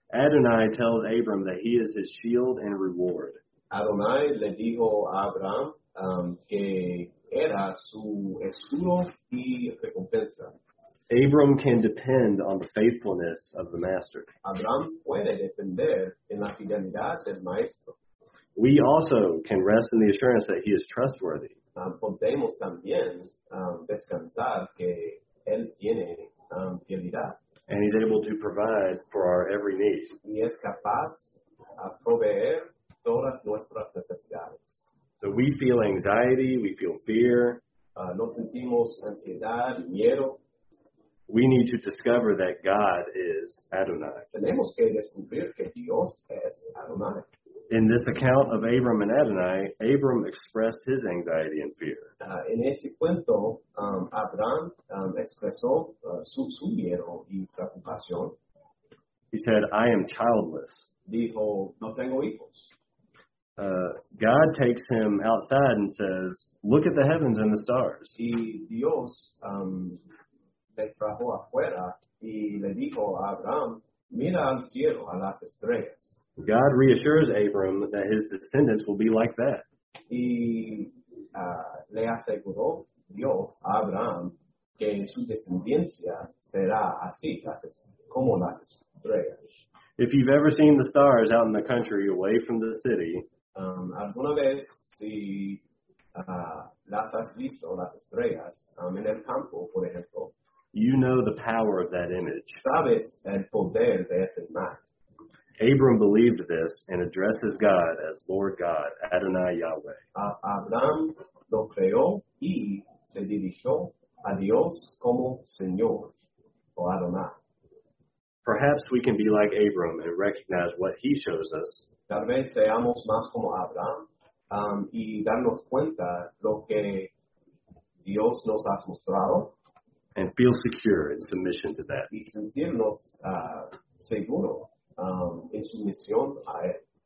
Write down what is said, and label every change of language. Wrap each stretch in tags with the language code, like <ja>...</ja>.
<en>Adonai tells Abram that he is his shield and reward.</en> <es>Adonai le dijo a Abraham que era su escudo y recompensa.</es> <en>Abram can depend on the faithfulness of the Master.</en> <es>Abraham puede depender en la fidelidad del Maestro.</es> <en>We also can rest in the assurance that he is trustworthy.</en> <es>Podemos también descansar que él tiene que dirá.</es> <en>And he's able to provide for our every need.</en> <es>Y es capaz a proveer todas nuestras necesidades.</es> <en>So we feel anxiety, we feel fear.</en> <es>Nos sentimos ansiedad, miedo.</es> <en>We need to discover that God is Adonai.</en> <es>Tenemos que descubrir que Dios es Adonai.</es> <en>In this account of Abram and Adonai, Abram expressed his anxiety and fear.</en> <es>En este cuento, Abraham expresó su miedo y preocupación.</es> <en>He said, "I am childless."</en> <es>Dijo, "No tengo hijos."</es> <en>God takes him outside and says, "Look at the heavens and the stars."</en> <es>Y Dios le trajo afuera y le dijo a Abraham, "Mira al cielo, a las estrellas."</es> <en>God reassures Abram that his descendants will be like that.</en> <es>Y le aseguró Dios a Abraham que su descendencia será así, como las estrellas.</es> <en>If you've ever seen the stars out in the country away from the city,</en> <es>alguna vez si las has visto, las estrellas, en el campo, por ejemplo,</es> <en>you know the power of that image.</en> <es>Sabes el poder de esa imagen.</es> <en>Abram believed this and addresses God as Lord God, Adonai Yahweh.</en> <es>Abraham lo creó y se dirigió a Dios como Señor o Adonai.</es> <en>Perhaps we can be like Abram and recognize what he shows us.</en> <es>Tal vez seamos más como Abraham y darnos cuenta lo que Dios nos ha mostrado.</es> <en>And feel secure in submission to that.</en> <es>Y sentirnos seguro. En su misión a él.</es>